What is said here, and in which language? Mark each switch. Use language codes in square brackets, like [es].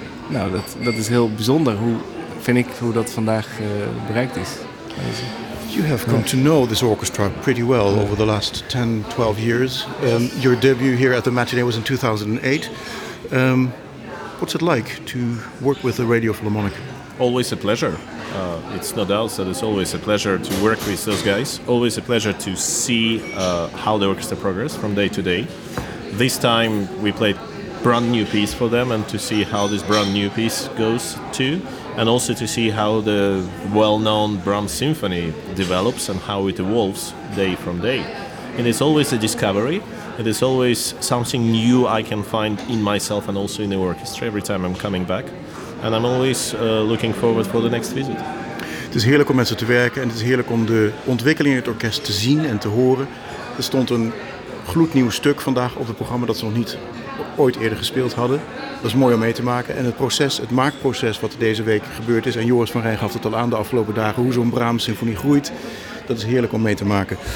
[nl] En dat is heel bijzonder, hoe dat vandaag bereikt is. [en] You have come to know this orchestra pretty well over the last 10, 12 years. Your debut here at the Matinee was in 2008. What's it like to work with the Radio Philharmonic? Always a pleasure. It's no doubt that it's always a pleasure to work with those guys. Always a pleasure to see how the orchestra progresses from day to day. This time we played brand new piece for them, and to see how this brand new piece goes too, and also to see how the well-known Brahms symphony develops and how it evolves day from day. And it's always a discovery. It is always something new I can find in myself and also in the orchestra every time I'm coming back. And I'm always looking forward for the next visit. [nl] Het is heerlijk om met ze te werken en het is heerlijk om de ontwikkeling in het orkest te zien en te horen. Er stond een gloednieuw stuk vandaag op het programma dat ze nog niet ooit eerder gespeeld hadden. Dat is mooi om mee te maken. En het proces, het maakproces wat deze week gebeurd is, en Joris van Rijn gaf het al aan de afgelopen dagen, hoe zo'n Brahms symfonie groeit, dat is heerlijk om mee te maken.